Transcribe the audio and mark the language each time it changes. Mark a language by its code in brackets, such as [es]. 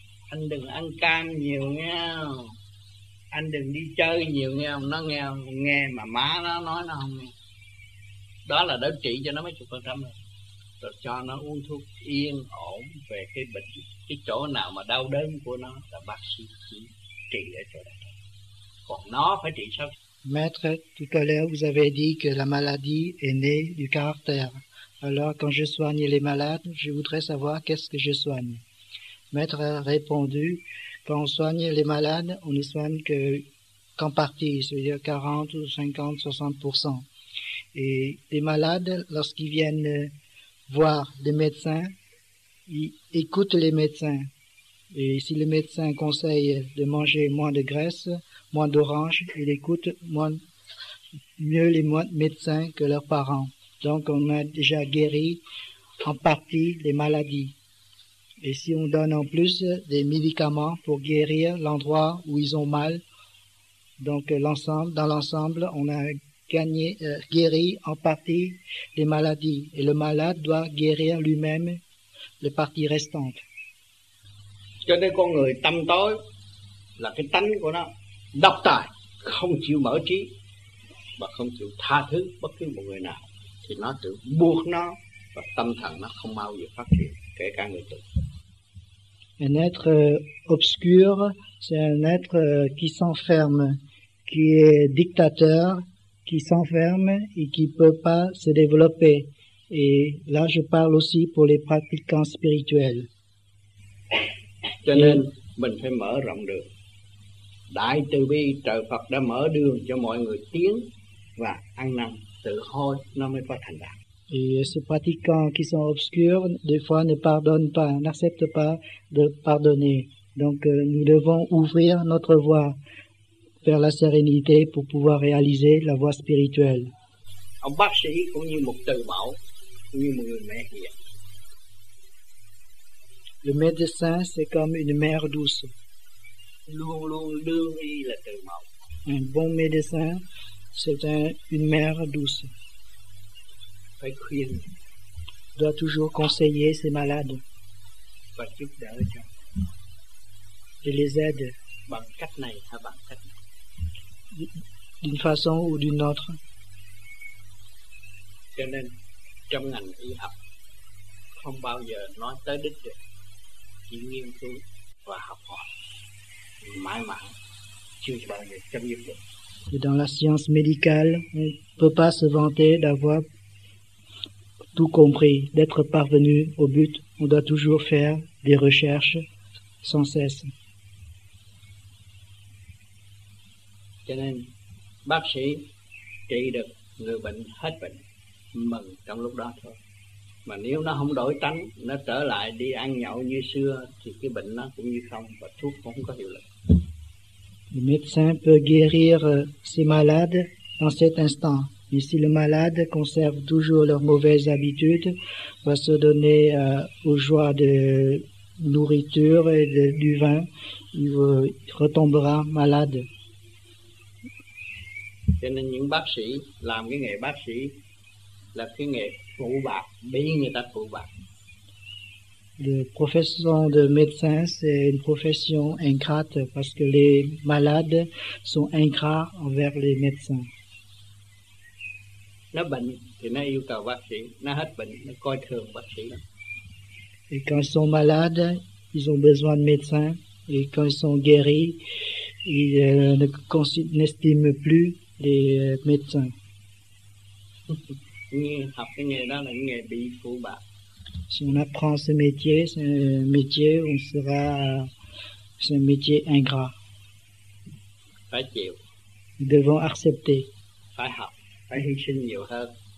[vi] Anh đừng ăn cam nhiều nha. Anh đừng đi chơi nhiều nghe không? Nó nghe không? Nghe mà má nó nói nó không nghe. Đó là đỡ trị cho nó mấy chục phần trăm rồi. Rồi cho nó uống thuốc yên ổn về cái bệnh. Cái chỗ nào mà đau đớn của nó là bác sĩ chỉ trị ở chỗ đó. Còn nó phải trị sao? [fr] Maître, tout à l'heure vous avez dit que la maladie est née du caractère. Alors, quand je soigne les malades, je voudrais savoir qu'est-ce que je soigne. Maître a répondu, quand on soigne les malades, on ne soigne qu'en partie, c'est-à-dire 40 ou 50, 60%. Et les malades, lorsqu'ils viennent voir des médecins, ils écoutent les médecins. Et si le médecin conseille de manger moins de graisse, moins d'orange, il écoute mieux les médecins que leurs parents. Donc on a déjà guéri en partie les maladies. Et si on donne en plus des médicaments pour guérir l'endroit où ils ont mal, donc l'ensemble, dans l'ensemble, on a gagné, guéri en partie les maladies. Et le malade doit guérir lui-même les parties restantes. [vi] Cho nên con người tâm tối là cái tánh của nó độc tài, không chịu mở trí và không chịu tha thứ bất cứ một người nào, thì nó tự buộc nó và tâm thần nó không bao giờ phát triển, kể cả người tu. [fr] Un être obscur, c'est un être qui s'enferme, qui est dictateur, qui s'enferme et qui peut pas se développer. Et là, je parle aussi pour les pratiquants spirituels. [vi] Cho nên mình phải mở rộng đường. Đại từ bi trời Phật đã mở đường cho mọi người tiến và ăn năn tự hối, nó mới có thành đạt. [fr] Et ces pratiquants qui sont obscurs, des fois ne pardonnent pas, n'acceptent pas de pardonner. Donc nous devons ouvrir notre voie vers la sérénité pour pouvoir réaliser la voie spirituelle. [vi] Ông bác sĩ cũng như một từ mẫu, như một người mẹ hiền. [fr] Le médecin, c'est comme une mère douce. [vi] Luôn luôn đương y là từ mẫu. [fr] Un bon médecin, c'est une mère douce. [vi] Phải khuyên. [fr] Doit toujours conseiller ses malades. [vi] Và giúp đỡ cho. [fr] Et les aide. [vi] Bằng cách này hay bằng cách này. [fr] D'une façon ou d'une autre. [vi] Cho nên, trong ngành y học, không bao giờ nói tới đích được. Chỉ nghiên cứu và học hỏi mãi mãi chưa bao giờ chấm dứt được. [fr] Et dans la science médicale, on peut pas se vanter d'avoir tout compris, d'être parvenu au but. On doit toujours faire des recherches sans cesse. [vi] Cho nên bác sĩ trị được người bệnh hết bệnh mừng trong lúc đó thôi. Mà nếu nó không đổi tánh, nó trở lại đi ăn nhậu như xưa, thì cái bệnh nó cũng như không, và thuốc cũng không có hiệu lực. [fr] Le médecin peut guérir ses malades dans cet instant. Mais si le malade conserve toujours leurs mauvaises habitudes, va se donner aux joies de nourriture et du vin, il retombera malade. [vi] Cho nên những bác sĩ làm cái nghề bác sĩ là cái nghề phụ bạc, bị người ta phụ bạc. [fr] La profession de médecin, c'est une profession ingrate parce que les malades sont ingrats envers les médecins. [vi] Nó bệnh thì nó yêu cầu bác sĩ, nó hết bệnh nó coi thường bác sĩ. [fr] Et quand ils sont malades, ils ont besoin de médecins. Et quand ils sont guéris, ils n'estiment plus les médecins. [vi] Học cái nghề đó là nghề bị phụ bạc. [fr] Si on apprend ce métier, c'est un métier où on sera, c'est un métier ingrat. [vi] Phải chịu. [fr] Nous devons accepter. [vi] Phải học, phải hy sinh nhiều hơn.